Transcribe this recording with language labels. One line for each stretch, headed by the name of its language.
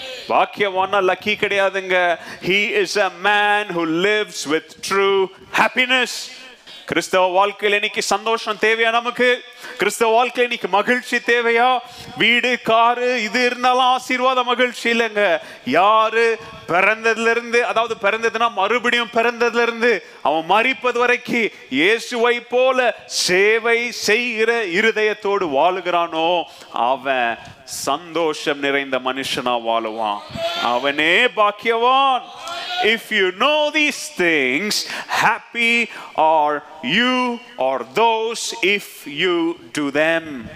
Tamil: பாக்கியவான்னா lucky கிடையாதுங்க.
English: He is a man who lives with true happiness.
Tamil: கிறிஸ்தவ வாழ்க்கையில இன்னைக்கு சந்தோஷம் தேவையா நமக்கு? கிறிஸ்தவ வாழ்க்கையில இன்னைக்கு மகிழ்ச்சி தேவையா? வீடு காரு இது இருந்தாலும் ஆசீர்வாத மகிழ்ச்சி இல்லைங்க. யாரு பிறந்ததுல இருந்து, அதாவது பிறந்ததுன்னா மறுபடியும் பிறந்ததுல இருந்து அவன் மரிப்பது வரைக்கும் இயேசுவை போல சேவை செய்கிற இருதயத்தோடு வாழுகிறானோ அவன் சந்தோஷம் நிறைந்த மனுஷனா வாழுவான், அவனே பாக்கியவான்.
English: If you know these things, happy are you or those if you do them.